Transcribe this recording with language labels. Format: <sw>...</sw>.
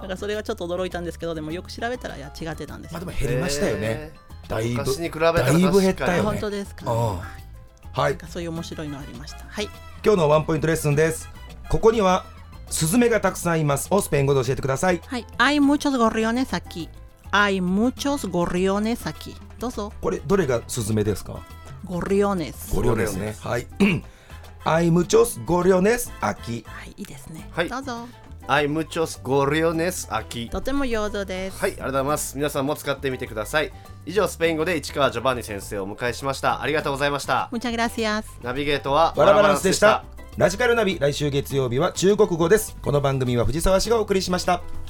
<ja>だからそれがちょっと驚いたんですけど、でもよく調べたら、いや、違ってたんです、まあ、でも減りましたよね、だいぶ昔に比べたら、だいぶ減ったよね、本当ですか、ね、はい、なんかそういう面白いのありました、はい、今日のワンポイントレッスンです。ここにはスズメがたくさんいます、をスペイン語で教えてください。</ja> <es>はい、 Hay muchos gorriones aquí。 Hay muchos gorriones aquí.</es> <ja>どうぞ。これどれがスズメですか。</ja> <es>Gorriones。</es> <ja>Gorriones ね。はい。</ja> <es>Hay muchos gorriones aquí。</es> <ja>はい、いいですね。はい、どうぞ。</ja> <es>Hay muchos gorriones aquí。</es> <ja>とても上手です。はい、ありがとうございます。皆さんも使ってみてください。以上、スペイン語で市川ジョバンニ先生をお迎えしました。ありがとうございました。</ja> <es>Muchas gracias。</es> <ja>ナビゲートはバラバランスでした。ラジカルナビ、来週月曜日は中国語です。この番組は藤沢氏がお送りしました。</ja>